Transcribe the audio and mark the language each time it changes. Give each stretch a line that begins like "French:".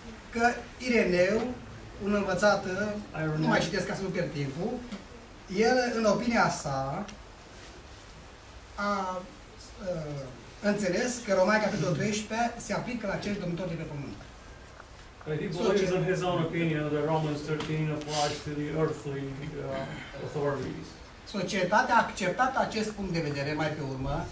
Romanian: că Ireneu, un învățat, nu mai citesc ca să nu pierd timpul, el, în opinia sa, a înțeles că Romani capitolul 13 se aplică la cei domnitori de pe pământ.
English: He believes in his own opinion that Romans 13 applies to the earthly authorities.
Romanian: Societatea a acceptat acest punct de vedere mai pe urmă,